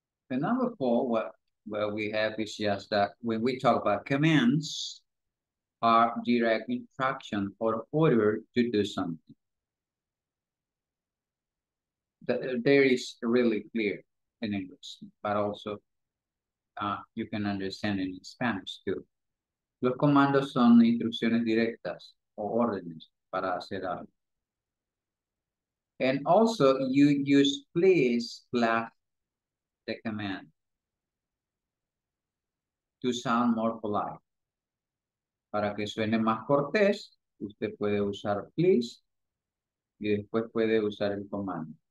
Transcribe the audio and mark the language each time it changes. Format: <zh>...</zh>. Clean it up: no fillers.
<en>The number four, what we have is just that when we talk about commands, are direct instruction or order to do something. There is really clear in English, but also you can understand it in Spanish too.</en> <es>Los comandos son instrucciones directas o órdenes para hacer algo.</es> <en>And also you use please plus the command to sound more polite.</en> <es>Para que suene más cortés, usted puede usar please y después puede usar el comando.</es>